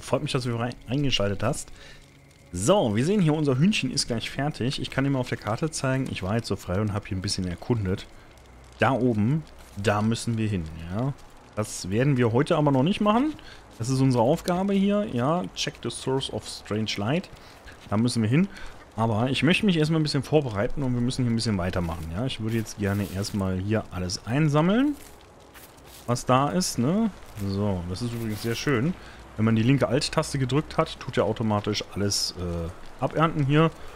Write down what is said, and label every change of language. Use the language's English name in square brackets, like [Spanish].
[German] Freut mich, dass du eingeschaltet hast. So, wir sehen hier, unser Hühnchen ist gleich fertig. Ich kann dir mal auf der Karte zeigen. Ich war jetzt so frei und habe hier ein bisschen erkundet. Da oben, da müssen wir hin, ja. Das werden wir heute aber noch nicht machen. Das ist unsere Aufgabe hier, ja. [English] Check the source of strange light. [German] Da müssen wir hin. Aber ich möchte mich erstmal ein bisschen vorbereiten und wir müssen hier ein bisschen weitermachen, ja. Ich würde jetzt gerne erstmal hier alles einsammeln, was da ist, ne. So, das ist übrigens sehr schön. Wenn man die linke Alt-Taste gedrückt hat, tut er automatisch alles abernten hier.